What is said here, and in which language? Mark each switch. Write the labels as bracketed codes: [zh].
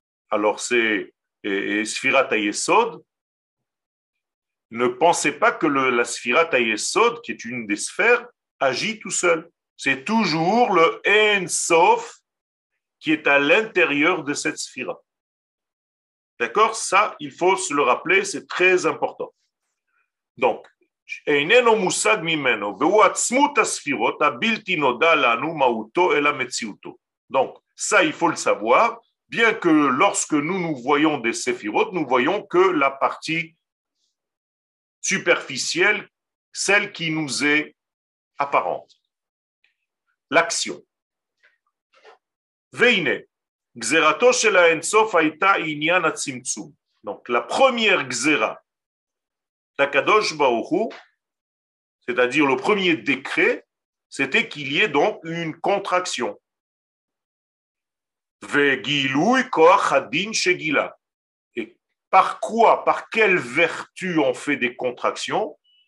[fr] Alors c'est Sphira Tayesod. Ne pensez pas que la Sphira Tayesod, qui est une des sphères, agit tout seul. C'est toujours le Ein Sof qui est à l'intérieur de cette sphira. D'accord? Ça, il faut se le rappeler, c'est très important. [he] Donc, איננו מושג ממנו, והוא עצמות הספירות הבלתי נודע לנו מהותו אלא מציאותו. [fr] Donc, ça, il faut le savoir, bien que lorsque nous voyons des séphirot, nous voyons que la partie superficielle, celle qui nous est apparente. L'action. [he] והנה, גזירתו של האינסוף הייתה עניין הצמצום. [fr] Donc, la première גזירה, Takadosh Baruch Hu, c'est-à-dire le premier décret, c'était qu'il y ait donc une contraction. [he] Ve'gilui koach hadin shegila. [fr] Et par quoi, par quelle vertu on fait des contractions?